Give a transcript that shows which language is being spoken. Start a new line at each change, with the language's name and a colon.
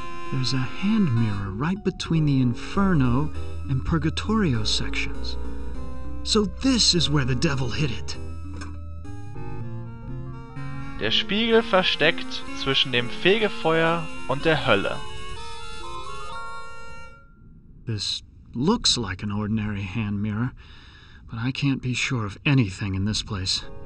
English: There's a hand mirror right between the Inferno and Purgatorio sections. So this is where the devil hid it.
German: Der Spiegel versteckt zwischen dem Fegefeuer und der Hölle.
English: This looks like an ordinary hand mirror, but I can't be sure of anything in this place.